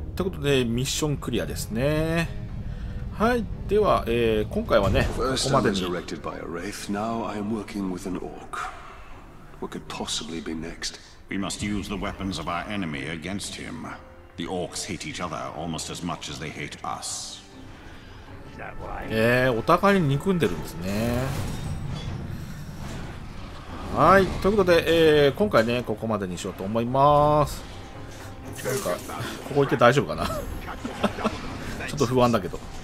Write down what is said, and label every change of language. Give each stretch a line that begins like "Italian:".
Japanese: ということで、ミッションクリアですね。はい。では、今回はね、ここまでに。
English: First, I was erected by a wraith. Now, I am working with an orc. What could possibly be next? We must use the weapons of our enemy against him. The orcs hate each other almost as much as they hate us.
Japanese: お互いに憎んでるんですね。はい、ということで、今回ね、ここまでにしようと思います。なんか、ここ行って大丈夫かな？ちょっと不安だけど。